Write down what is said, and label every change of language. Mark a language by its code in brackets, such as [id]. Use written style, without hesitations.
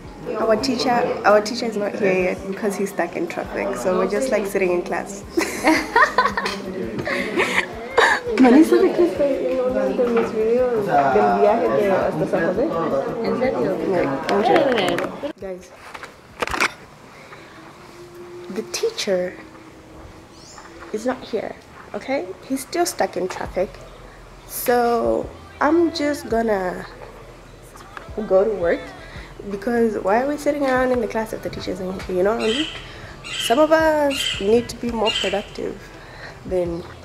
[en] Our teacher is not here yet because he's stuck in traffic, so we're just like sitting in class. [es] Manisa, ¿de qué estoy hablando en mis videos del viaje de hasta San José? ¿En serio? [en] No, guys, the teacher is not here, okay? He's still stuck in traffic, so I'm just gonna go to work because why are we sitting around in the class if the teacher's in here, you know what I mean? Some of us need to be more productive than